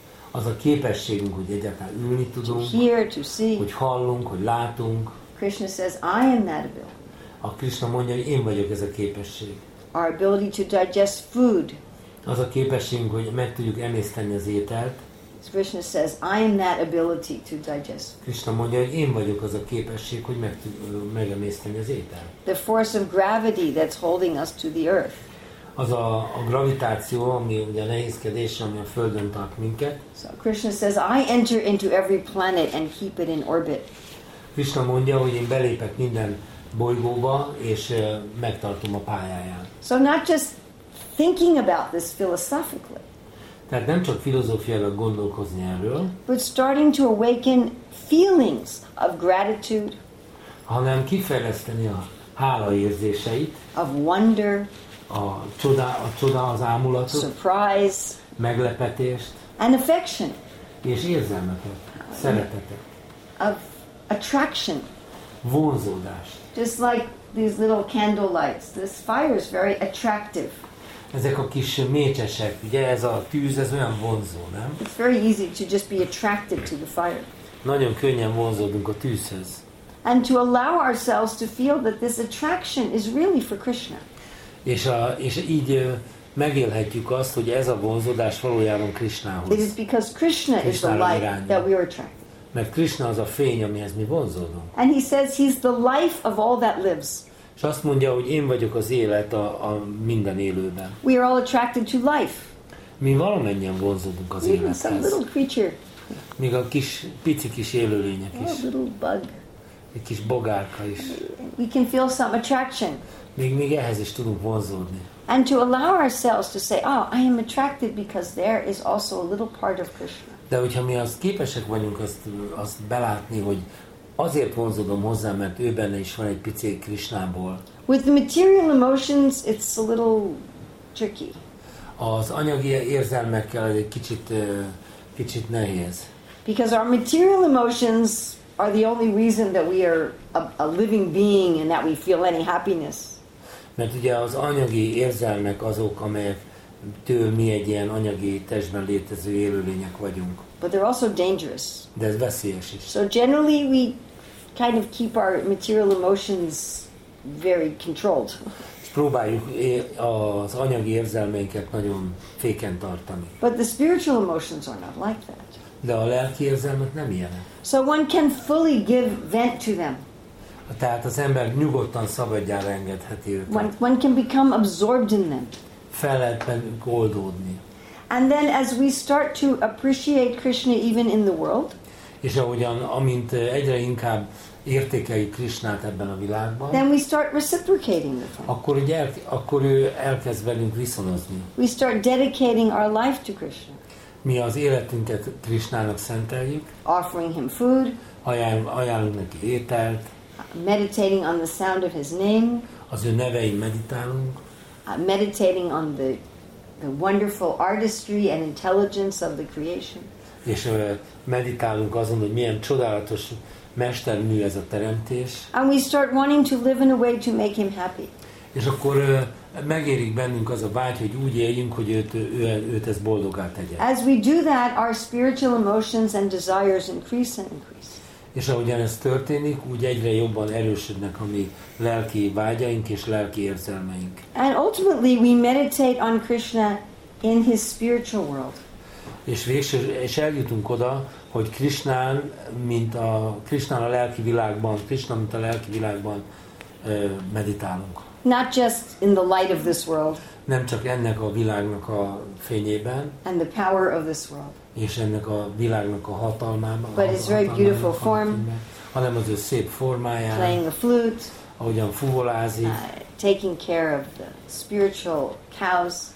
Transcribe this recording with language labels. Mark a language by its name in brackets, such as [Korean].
[Hungarian] Az a képességünk, hogy egyáltalán ülni tudunk. [English] Hear, to see. [Hungarian] Hogy hallunk, hogy látunk. [English] Krishna says, I am that ability. [Hungarian] A Krishna mondja, hogy én vagyok ez a képesség. [English] Our ability to digest food. [Hungarian] Az a képességünk, hogy meg tudjuk emészteni az ételt. [English] Krishna says, I am that ability to digest. [Hungarian] Krishna mondja, hogy én vagyok az a képesség, hogy megemészteni az ételt. [English] The force of gravity that's holding us to the earth. [Hungarian] Az a gravitáció, ami ugye a nehézkedés, ami a Földön tart minket. [English] So Krishna says, I enter into every planet and keep it in orbit. [Hungarian] Krishna mondja, hogy én belépek minden bolygóba, és megtartom a pályáját. [English] So not just thinking about this philosophically. [Hungarian] Tehát nem csak filozófiailag gondolkozni erről, [English] but starting to awaken feelings of gratitude, [Hungarian] hanem kifejleszteni a hála érzéseit, [English] of wonder, [Hungarian] a csoda, az ámulatot, [English] surprise, [Hungarian] meglepetést, [English] and affection, [Hungarian] és érzelmeket, szeretetet, [English] of attraction, [Hungarian] vonzódást. [English] Just like these little candle lights, this fire is very attractive. [Hungarian] Ezek a kis mécsesek, ugye ez a tűz, ez olyan vonzó, nem? [English] It's very easy to just be attracted to the fire. [Hungarian] Nagyon könnyen vonzódunk a tűzhez. [English] And to allow ourselves to feel that this attraction is really for Krishna. [Hungarian] És így megélhetjük azt, hogy ez a vonzódás valójában Krishnához. [English] It is because Krishna is the light that we are attracted. [Hungarian] Mert Krishna az a fény, amihez mi vonzódunk. [English] And he says he's the life of all that lives. [Hungarian] És azt mondja, hogy én vagyok az élet a minden élőben. [English] We are all attracted to life. [Hungarian] Mi valamennyien vonzódunk az élethez. [English] Even some little creature. [Hungarian] Még a kis, pici kis élőlények is. [English] A little bug. [Hungarian] Egy kis bogárka is. [English] We can feel some attraction. [Hungarian] Még ehhez is tudunk vonzódni. [English] And to allow ourselves to say, oh, I am attracted because there is also a little part of Krishna. [Hungarian] De hogyha mi azt képesek vagyunk azt belátni, hogy azért vonzódom hozzá, mert ő benne is van egy pici Krishnából. [English] With the material emotions, it's a little tricky. [Hungarian] Az anyagi érzelmekkel egy kicsit nehéz. [English] Because our material emotions are the only reason that we are a living being and that we feel any happiness. [Hungarian] Mert ugye az anyagi érzelmek azok, amelyek től mi egy ilyen anyagi testben létező élőlények vagyunk. [English] But they're also dangerous. [Hungarian] De ez veszélyes is. [English] So generally we kind of keep our material emotions very controlled. [Hungarian] Próbáljuk az anyagi érzelmeinket nagyon féken tartani. [English] But the spiritual emotions are not like that. [Hungarian] De a lelki érzelmek nem ilyenek. [English] So one can fully give vent to them. [Hungarian] Tehát az ember nyugodtan szabadjára engedheti őket. [English] One can become absorbed in them. [Hungarian] Fel lehet bennük oldódni. [English] And then as we start to appreciate Krishna even in the world, [Hungarian] és ahogyan, amint egyre inkább értékeljük Krishnát ebben a világban, [English] then we start reciprocating with him. [Hungarian] Akkor ő elkezd velünk viszonozni. [English] We start dedicating our life to Krishna. [Hungarian] Mi az életünket Krishnának szenteljük. [English] Offering him food. [Hungarian] Ajánlunk neki ételt. [English] Meditating on the sound of his name. [Hungarian] Az ő nevein meditálunk. [English] Meditating on the wonderful artistry and intelligence of the creation. [Hungarian] És meditálunk azon, hogy milyen csodálatos mestermű ez a teremtés. [English] And we start wanting to live in a way to make him happy. [Hungarian] És akkor megérik bennünk az a vágy, hogy úgy éljünk, hogy őt ez boldoggá tegye. [English] As we do that, our spiritual emotions and desires increase and increase. [Hungarian] És ahogyan ez történik, úgy egyre jobban erősödnek a mi lelki vágyaink és lelki érzelmeink. [English] And ultimately we meditate on Krishna in his spiritual world. [Hungarian] És eljutunk oda, hogy Krishna mint a lelki világban meditálunk. [English] Not just in the light of this world. [Hungarian] Nem csak ennek a világnak a fényében. [English] And the power of this world. [Hungarian] És ennek a világnak a hatalmában. [English] But his very beautiful form. [Hungarian] Hanem az ő szép formáján. [English] Playing the flute. [Hungarian] Ahogyan fuvolázik. [English] Taking care of the spiritual cows.